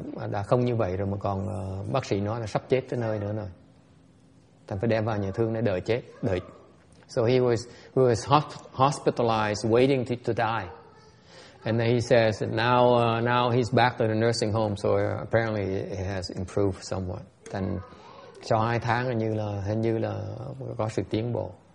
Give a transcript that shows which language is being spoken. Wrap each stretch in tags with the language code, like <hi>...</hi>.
<vi>Đã không như vậy rồi mà còn bác sĩ nói là sắp chết tới nơi nữa rồi, thành phải đem vào nhà thương để đợi chết, đợi.</vi> <en>So he was hospitalized waiting to die, and then he says that now he's back to the nursing home, so apparently it has improved somewhat.</en> <vi>Then sau 2 tháng hình như là có sự tiến bộ.</vi>